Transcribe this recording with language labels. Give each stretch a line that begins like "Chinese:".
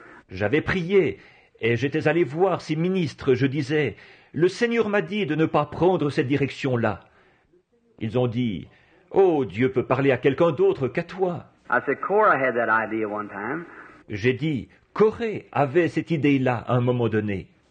French: J'avais prié, et j'étais allé voir ces ministres. Je disais, le Seigneur m'a dit de ne pas prendre cette direction-là. Ils ont dit, oh, Dieu peut parler à quelqu'un d'autre qu'à toi.
English: I said, Cora had that idea one time.
French: J'ai dit, Corée avait cette idée-là à un moment donné.